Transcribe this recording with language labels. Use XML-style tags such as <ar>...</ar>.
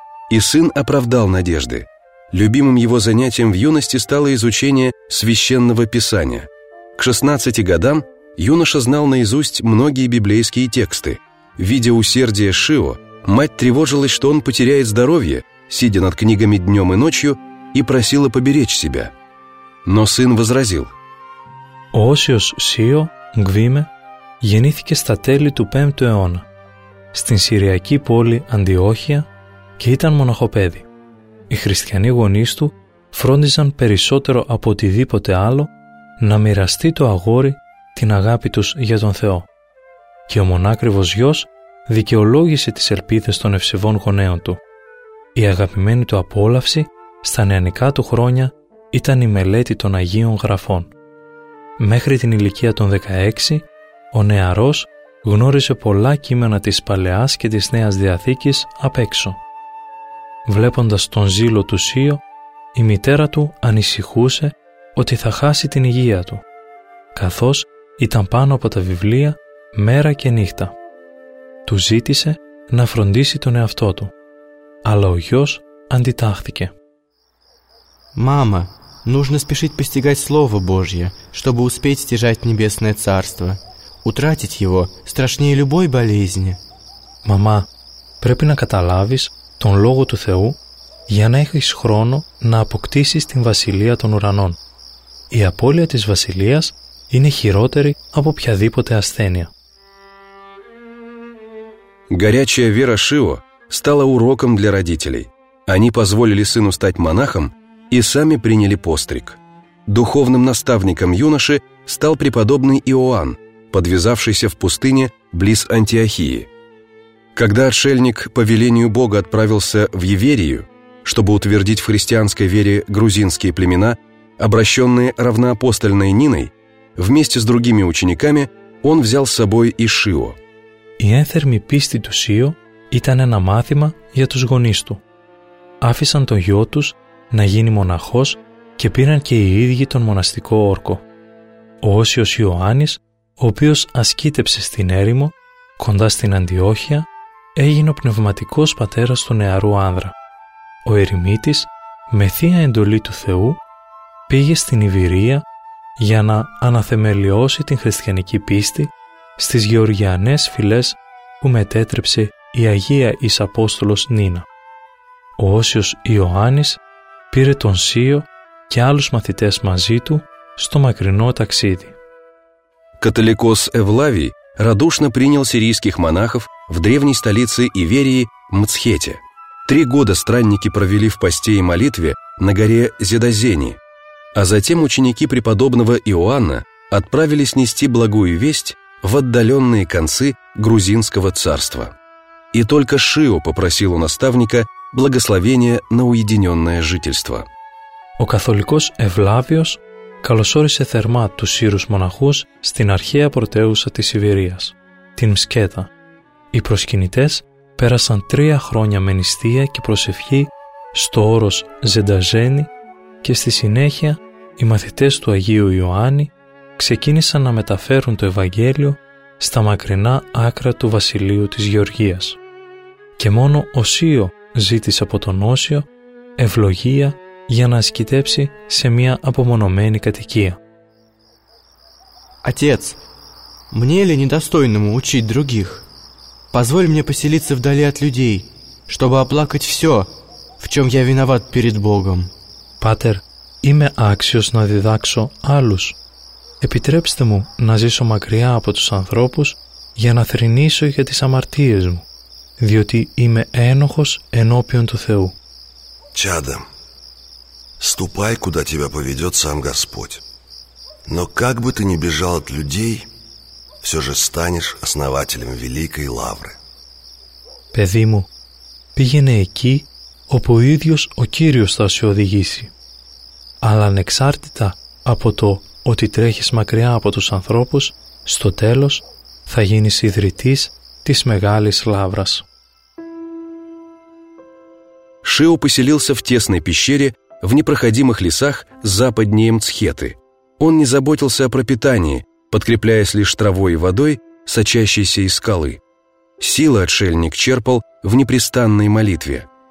<ru>И сын оправдал надежды. Любимым его занятием в юности стало изучение Священного Писания. К 16 годам юноша знал наизусть многие библейские тексты. Видя усердие Шио, мать тревожилась, что он потеряет здоровье, сидя над книгами днем и ночью, и просила поберечь себя. Но сын возразил.</ru> <el>Осиос Сио Гвиме γεννήθηκε στα τέλη του 5ου αιώνα στην Συριακή πόλη Αντιόχεια και ήταν μοναχοπέδι. Οι χριστιανοί γονείς του φρόντιζαν περισσότερο από οτιδήποτε άλλο να μοιραστεί το αγόρι την αγάπη τους για τον Θεό. Και ο μονάκριβος γιος δικαιολόγησε τις ελπίδες των ευσεβών γονέων του. Η αγαπημένη του απόλαυση στα νεανικά του χρόνια ήταν η μελέτη των Αγίων Γραφών. Μέχρι την ηλικία των 16, ο νεαρός γνώριζε πολλά κείμενα της Παλαιάς και της Νέας Διαθήκης απ' έξω. Βλέποντας τον ζήλο του Σίο, η μητέρα του ανησυχούσε ότι θα χάσει την υγεία του, καθώς ήταν πάνω από τα βιβλία μέρα και νύχτα. Του ζήτησε να φροντίσει τον εαυτό του, αλλά ο γιος αντιτάχθηκε.</el> <ru>«Мама, нужно спешить постигать Слово Божье, чтобы успеть стяжать Небесное Царство. Утратить его страшнее любой болезни».</ru> <el>«Мама, πρέπει να καταλάβεις τον Λόγο του Θεού για να έχεις χρόνο να αποκτήσεις την Βασιλεία των Ουρανών. Η απώλεια της Βασιλείας είναι χειρότερη από οποιαδήποτε ασθένεια».</el> <ru>Горячая вера Шио стала уроком для родителей. Они позволили сыну стать монахом и сами приняли постриг. Духовным наставником юноши стал преподобный Иоанн, подвязавшийся в пустыне близ Антиохии. Когда отшельник по велению Бога отправился в Иверию, чтобы утвердить в христианской вере грузинские племена, обращенные равноапостольной Ниной, вместе с другими учениками он взял с собой и Шио.</ru> <el>Η ένθερμη πίστη του Σίο ήταν ένα μάθημα για τους γονείς του. Άφησαν τον γιο τους να γίνει μοναχός και πήραν και οι ίδιοι τον μοναστικό όρκο. Ο Όσιος Ιωάννης, ο οποίος ασκήτεψε στην έρημο, κοντά στην Αντιόχεια, έγινε ο πνευματικός πατέρας του νεαρού άνδρα. Ο ερημίτης, με θεία εντολή του Θεού, πήγε στην Ιβηρία για να αναθεμελιώσει την χριστιανική πίστη στις γεωργιανές φυλές που μετέτρεψε η Αγία εις Απόστολος Νίνα. Ο Όσιος Ιωάννης πήρε τον Σίο και άλλους μαθητές μαζί του στο μακρινό ταξίδι.</el> <ru>Католикос Эвлавий радушно принял сирийских монахов в древней столице Иверии Мцхете. 3 года странники провели в посте и молитве на горе Зедозени, а затем ученики преподобного Иоанна отправились нести благую весть в отдаленные концы грузинского царства. И только Шио попросил у наставника благословения на уединенное жительство.</ru> <el>Ο католикός Ευλάβιος καλωσόρισε θερμά τους Σύρους μοναχούς στην αρχαία πρωτεύουσα της Ιβηρίας, την Μσκέτα. Οι προσκυνητές πέρασαν 3 χρόνια με νηστεία και προσευχή στο όρος Ζενταζένη και στη συνέχεια οι μαθητές του Αγίου Ιωάννη ξεκίνησαν να μεταφέρουν το Ευαγγέλιο στα μακρινά άκρα του βασιλείου της Γεωργίας. Και μόνο ο Σίο ζήτησε από τον Όσιο ευλογία για να ασκητέψει σε μια απομονωμένη κατοικία.</el> <ru>«Ατец, мне ли недостойному учить других?» Позволь мне поселиться вдали от людей, чтобы оплакать все, в чем я виноват перед Богом.</ru> <el>Патер, είμαι άξιος να διδάξω άλλους. Επιτρέψτε μου να ζήσω μακριά από τους ανθρώπους για να θρηνήσω για τις αμαρτίες μου, διότι είμαι ένοχος ενώπιον του Θεού.</el> <ru>Чадо, ступай, куда тебя поведет сам Господь. Но как бы ты ни бежал от людей, все же станешь основателем великой лавры.</ru> <el>Παιδί μου, πήγαινε εκεί όπου ο ίδιος ο Κύριος θα σε οδηγήσει. Αλλά ανεξάρτητα από το ότι τρέχεις μακριά από τους ανθρώπους, στο τέλος θα γίνεις ιδρυτής της μεγάλης λαύρας.</el> <ru>Шио поселился в тесной пещере в непроходимых лесах западнее Мцхеты. Он не заботился о пропитании, подкрепляясь лишь травой и водой, сочащейся из скалы. Силы отшельник черпал в непрестанной молитве.</ru>